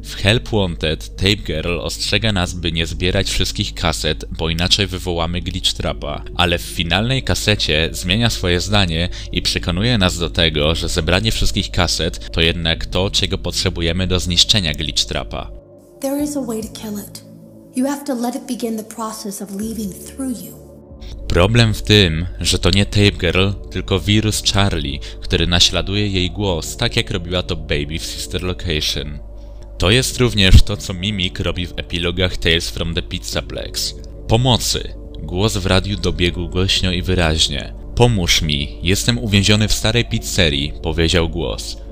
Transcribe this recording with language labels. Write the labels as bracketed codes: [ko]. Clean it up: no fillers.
[pl] W Help Wanted Tape Girl ostrzega nas, by nie zbierać wszystkich kaset, bo inaczej wywołamy Glitchtrapa. Ale w finalnej kasecie zmienia swoje zdanie i przekonuje nas do tego, że zebranie wszystkich kaset to jednak to, czego potrzebujemy do zniszczenia Glitchtrapa. [en] There is a way to kill it. You have to let it begin the process of leaving through you. [pl] Problem w tym, że to nie Tape Girl, tylko wirus Charlie, który naśladuje jej głos, tak jak robiła to Baby w Sister Location. To jest również to, co Mimik robi w epilogach Tales from the Pizzaplex. Pomocy! Głos w radiu dobiegł głośno i wyraźnie. Pomóż mi, jestem uwięziony w starej pizzerii, powiedział głos.